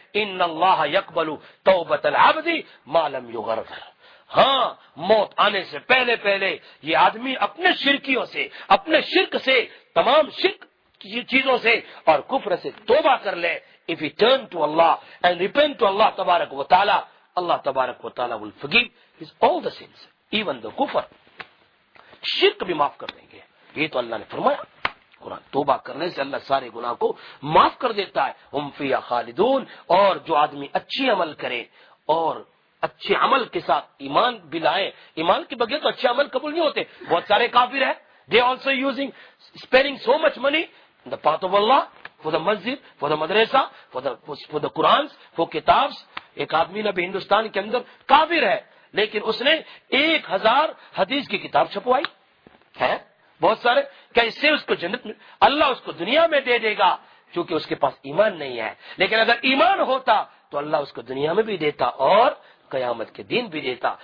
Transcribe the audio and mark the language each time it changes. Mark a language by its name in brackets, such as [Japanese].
[Arabic] ان اللہ یقبل توبۃ العبد ما لم یغرغر، [Urdu] ہاں موت آنے سے پہلے پہلے یہ آدمی اپنے شرکیوں سے، اپنے شرک سے، تمام شرک کی چیزوں سے اور کفر سے توبہ کر لے، [English] if he turn to Allah [Urdu] and repent to Allah تبارک و تعالی، اللہ تبارک و تعالی [English] will forgive his all the sins even the [Urdu] کفر، شرک بھی معاف کر دیں گے. یہ تو اللہ نے فرمایا قرآن، توبہ کرنے سے اللہ سارے گناہ کو معاف کر دیتا ہے. [Arabic] ہم فیہا خالدون، [Urdu] اور جو آدمی اچھی عمل کرے اور اچھے عمل کے ساتھ ایمان بھی لائے، ایمان کے بغیر تو اچھے عمل قبول نہیں ہوتے. بہت سارے کافر ہیں، [English] They also using spending so much money the path of Allah, for the masjid, for the madrasa, for the Quran, for kitab. [Urdu] ایک آدمی نے بھی ہندوستان کے اندر کافر ہے لیکن اس نے 1000 حدیث کی کتاب چھپوائی ہے، بہت سارے، کیا اس سے اس کو جنت میں، اللہ اس کو دنیا میں دے دے گا کیونکہ اس کے پاس ایمان نہیں ہے، لیکن اگر ایمان ہوتا تو اللہ اس کو دنیا میں بھی دیتا اور قیامت کے دن بھی دیتا.